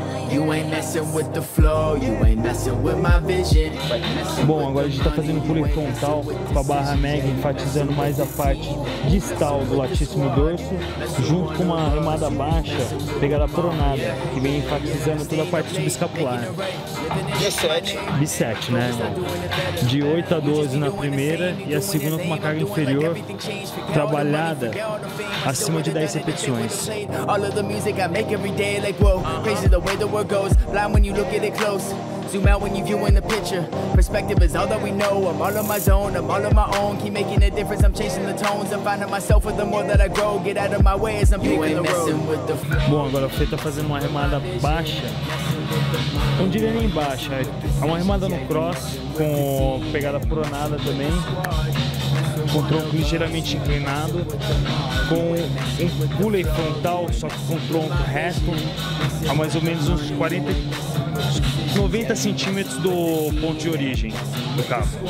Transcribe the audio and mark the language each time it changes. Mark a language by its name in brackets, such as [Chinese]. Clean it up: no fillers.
[English] You ain't messing with the flow, you ain't messing with my vision. [Portuguese] Bom, agora a gente tá fazendo pulo frontal com a barra mag, enfatizando mais a parte distal do latíssimo dorso, junto com uma remada baixa, pegada pronada, que vem enfatizando toda a parte subescapular. B7, né, irmão? De 8 a 12 na primeira e a segunda com uma carga inferior, trabalhada acima de 10 repetições. [English] All of the music I make every day, like, whoa, crazy the way the world goes, blind when you look at it close. Zoom out when you view in the picture. Perspective is all that we know. I'm all in my zone, I'm all on my own. Keep making a difference, I'm chasing the tones. I'm finding myself with the more that I grow. Get out of my way as I'm picking the road. [Portuguese] Bom, agora o Fê tá fazendo uma remada baixa. Não diria nem baixa. É uma remada no cross, com pegada pronada também. Com tronco ligeiramente inclinado, com um pulley frontal, só que com tronco reto, a mais ou menos uns 40, 90 centímetros do ponto de origem do carro.